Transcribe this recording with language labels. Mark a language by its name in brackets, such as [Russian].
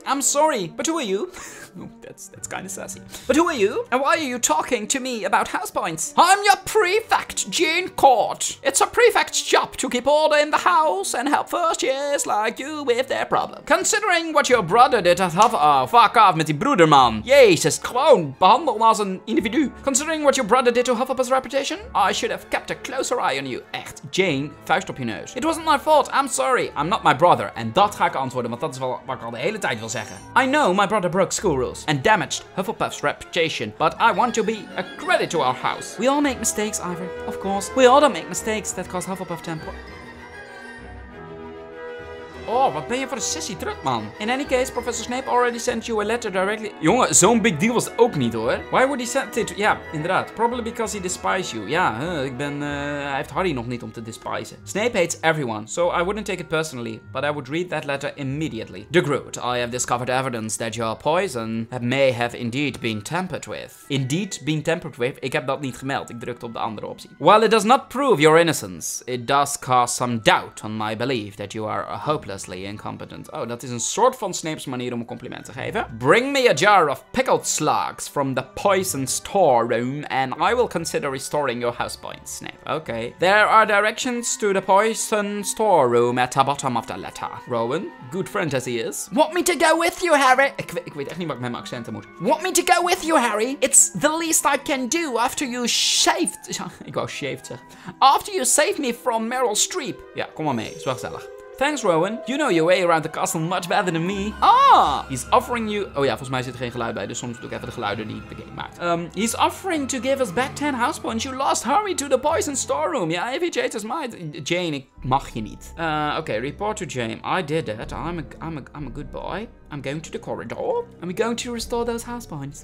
[English] I'm sorry, but who are you? that's kind of sassy. But who are you? And why are you talking to me about house points? I'm your prefect, Jane Court. It's a prefect's job to keep order in the house and help first years like you with their problem. Considering what your brother did at Hufflepuff... Oh, fuck off [Dutch] met die broeder, man. Jezus, gewoon behandel als een individu. [English] Considering what your brother did to Hufflepuff's reputation, I should have kept a closer eye on you. [Dutch] Echt, Jane, vuist op je neus. [English] It wasn't my fault, I'm sorry. I'm not my brother. [Dutch] En dat ga ik antwoorden, want dat is wel wat ik al de hele tijd wil zeggen. [English] I know my brother broke school rules and damaged Hufflepuff's reputation, but I want to be a credit to our house. We all make mistakes, Ivor. Of course. We all don't make mistakes that cause Hufflepuff 10 points. [Dutch] Oh, wat ben je voor een sessie druk, man. [English] In any case, Professor Snape already sent you a letter directly. [Dutch] Jongen, zo'n big deal was het ook niet, hoor. [English] Why would he send it to... [Dutch] Ja, inderdaad. [English] Probably because he despised you. [Dutch] Ja, ik ben... Hij heeft Harry nog niet om te despisen. [English] Snape hates everyone, so I wouldn't take it personally. But I would read that letter immediately. De Groot, I have discovered evidence that your poison may have indeed been tampered with. Indeed been tampered with? [Dutch] Ik heb dat niet gemeld. Ik drukte op de andere optie. [English] While it does not prove your innocence, it does cast some doubt on my belief that you are a hopelessly incompetent. [Dutch] Oh, dat is een soort van Snape's manier om een compliment te geven. [English] Bring me a jar of pickled slugs from the poison storeroom and I will consider restoring your house points, Snape. Okay. There are directions to the poison storeroom at the bottom of the letter. Rowan, good friend as he is. Want me to go with you, Harry? [Dutch] Ik weet echt niet wat ik met mijn accenten moet. [English] Want me to go with you, Harry? It's the least I can do after you shaved... [Dutch] ik wou shaved zeg. [English] After you saved me from Meryl Streep. [Dutch] Ja, kom maar mee. Is wel gezellig. [English] Thanks, Rowan. You know your way around the castle much better than me. Ah! He's offering you... [Dutch] Oh ja, volgens mij zit er geen geluid bij, dus soms doe ik even de geluiden die de game maakt. [English] He's offering to give us back 10 house points you lost. Hurry to the poison storeroom. Ja, if he changes mind... [Dutch] Jane, ik mag je niet. [English] Okay, report to Jane. I did that. I'm a good boy. I'm going to the corridor. And we're going to restore those house points.